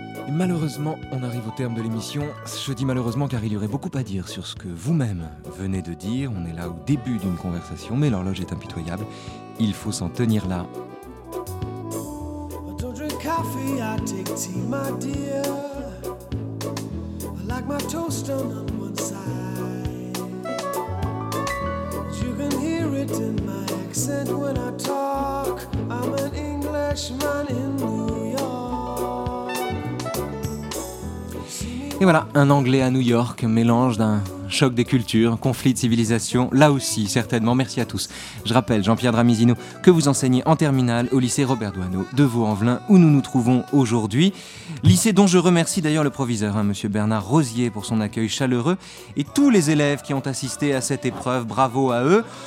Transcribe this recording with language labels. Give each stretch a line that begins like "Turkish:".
French: Malheureusement, on arrive au terme de l'émission. Je dis malheureusement car il y aurait beaucoup à dire sur ce que vous-même venez de dire. On est là au début d'une conversation, mais l'horloge est impitoyable. Il faut s'en tenir là.
English: I don't drink coffee, I take tea, my dear. I like my toast on one side. You can hear it in my accent when I talk. I'm an Englishman in New York.
French: Et voilà, un Anglais à New York, mélange d'un choc des cultures, conflit de civilisation, là aussi, certainement, merci à tous. Je rappelle, Jean-Pierre Dramidino, que vous enseignez en terminale au lycée Robert Doisneau de Vaux-en-Velin, où nous nous trouvons aujourd'hui. Lycée dont je remercie d'ailleurs le proviseur, Monsieur Bernard Rosier, pour son accueil chaleureux, et tous les élèves qui ont assisté à cette épreuve, bravo à eux.